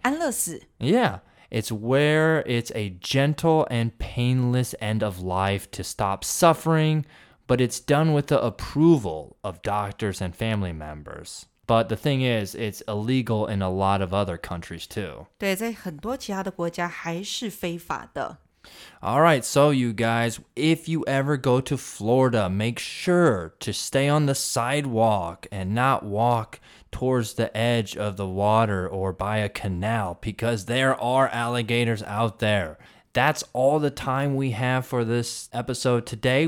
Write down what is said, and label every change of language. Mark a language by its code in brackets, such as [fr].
[zh] 安乐死 [en] Yeah. It's where it's a gentle and painless end of life to stop suffering,But it's done with the approval of doctors and family members. But the thing is, it's illegal in a lot of other countries too. [zh] 对，在很多其他的国家还是非法的。 [en] All right, so you guys, if you ever go to Florida, make sure to stay on the sidewalk and not walk towards the edge of the water or by a canal because there are alligators out there. That's all the time we have for this episode today.